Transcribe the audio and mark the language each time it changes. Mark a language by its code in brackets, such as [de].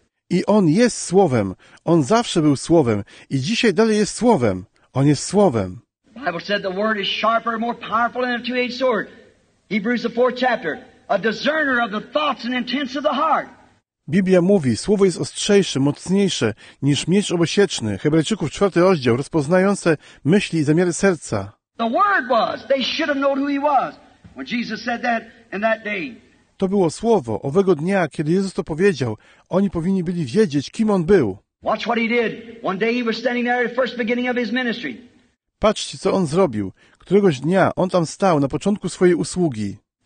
[pl] I on jest Słowem. On zawsze był Słowem i dzisiaj dalej jest Słowem. On jest Słowem. [en] Bible said the word is sharper, more powerful than a two-edged sword. Hebrews the fourth chapter, a discerner of the thoughts and intents of the heart. [pl] Biblia mówi, słowo jest ostrzejsze, mocniejsze niż miecz obosieczny. Hebrajczyków 4 rozdział, rozpoznające myśli i zamiary serca. [en] The word was. They should have known who he was when Jesus said that in that day. [pl] To było słowo owego dnia, kiedy Jezus to powiedział. Oni powinni byli wiedzieć, kim on był. [en] Watch what he did. One day he was standing there at the first beginning of his ministry. [pl] Patrzcie, co on zrobił. Któregoś dnia on tam stał na początku swojej usługi.